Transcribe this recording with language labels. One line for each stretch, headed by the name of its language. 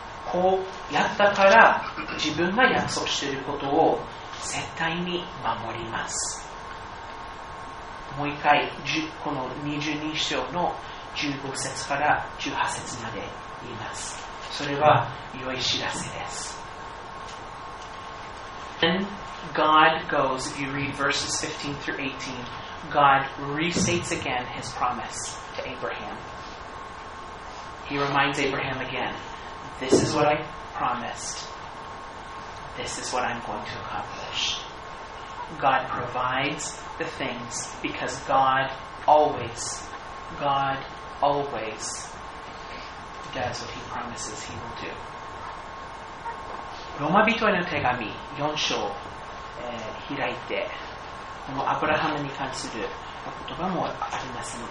Japanese: こうやったから自分が約束していることを絶対に守ります。もう一回この22章の15節から18節まで言います。それは良い知らせです。
English: Then God goes, if you read verses 15 through 18, God restates again his promise to Abraham. He reminds Abraham again, this is what I promised. This is what I'm going to accomplish. God provides the things because God always does what he promises he will do.
Japanese: ローマ人への手紙4章、開いて、このアブラハムに関する言葉もあります。